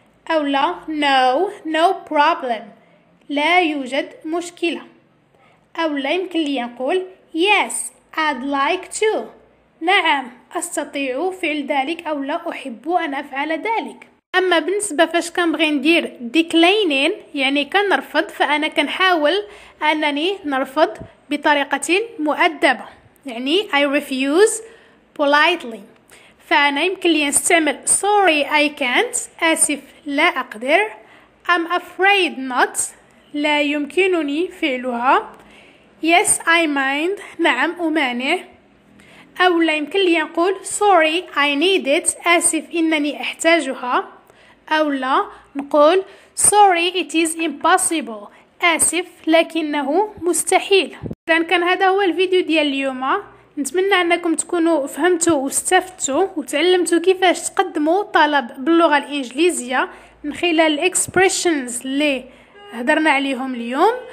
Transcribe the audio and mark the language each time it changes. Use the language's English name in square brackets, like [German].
[Arabic] أو لا [English] No, no problem. [Arabic] لا يوجد مشكلة. أو لا يمكن لي نقول [English] Yes, I'd like to. [Arabic] نعم أستطيع فعل ذلك أو لا أحب أن أفعل ذلك. أما بالنسبة فاش كنبغي ندير declining يعني كنرفض، فأنا كنحاول أنني نرفض بطريقة مؤدبة، يعني [English] I refuse politely. [Arabic] فأنا يمكن لي نستعمل [English] sorry I can't، [Arabic] آسف لا أقدر. [English] I'm afraid not، [Arabic] لا يمكنني فعلها. [English] Yes I mind، [Arabic] نعم أمانع. أو لا يمكن لي نقول [English] sorry I need it، [Arabic] آسف إنني أحتاجها. أو لا نقول [English] sorry it is impossible، [Arabic] آسف لكنه مستحيل. إذن كان هذا هو الفيديو ديال اليوم، نتمنى أنكم تكونوا فهمتوا واستفدتوا وتعلمتوا كيفاش تقدموا طلب باللغة الإنجليزية من خلال الإكسبريشنز اللي هدرنا عليهم اليوم.